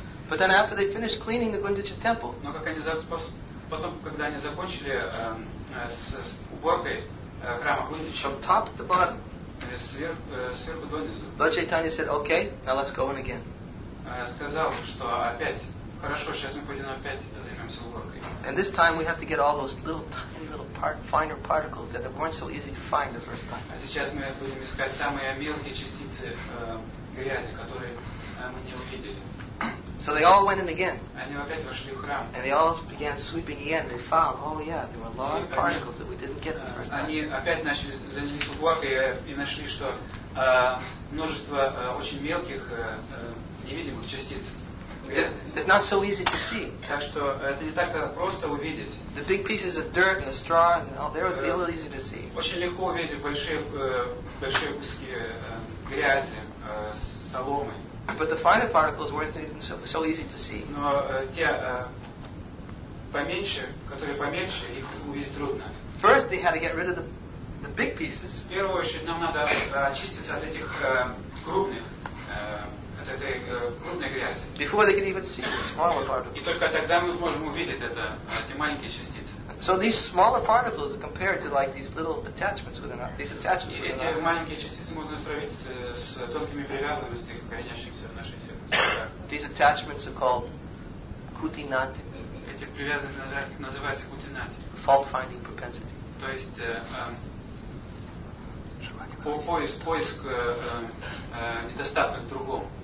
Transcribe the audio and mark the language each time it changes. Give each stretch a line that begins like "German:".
English: But then after they finished cleaning the Gundicha temple,
Russian: но как они потом, когда они закончили с уборкой храма Гундича,
English: from top to bottom,
Russian: сверху донизу.
English: Lord Chaitanya said, okay, now let's go in again.
Russian: Сказал, что опять, хорошо, сейчас мы пойдем опять займемся уборкой.
English: And this time we have to get all those little tiny little finer particles that weren't so easy to find the first time.
Russian: А сейчас мы будем искать самые мелкие частицы грязи, которые мы не увидели.
English: So they all went in again.
Russian: Они опять вошли в храм.
English: And they all began sweeping again. They found, oh yeah, there were large particles that we didn't get the first time.
Russian: Они опять начали занялись уборкой и нашли, что множество очень мелких невидимых частиц.
English: It's not so easy to see.
Russian: Так что это не так-то просто увидеть.
English: The big pieces of dirt and the straw, they would be a little easy to see.
Russian: Очень легко увидеть большие куски грязи с соломой.
English: But the finer particles weren't even so easy to see.
Russian: Но те поменьше, которые поменьше, их увидеть трудно.
English: First they had to get rid of the big pieces.
Russian: В первую очередь нам надо очиститься от этих крупных, от этой крупной грязи.
English: Before they could even see the smaller particles.
Russian: И только тогда мы сможем увидеть это, эти маленькие частицы.
English: So these smaller particles are compared to like these little attachments within our, these attachments within
Russian: our. Эти маленькие частицы можно сравнить с тонкими привязанностями, коренящимися в нашей сердце.
English: These attachments are called kutinati.
Russian: Эти привязанности называются kutinati.
English: Fault-finding propensity.
Russian: То есть поиск недостатков в другом.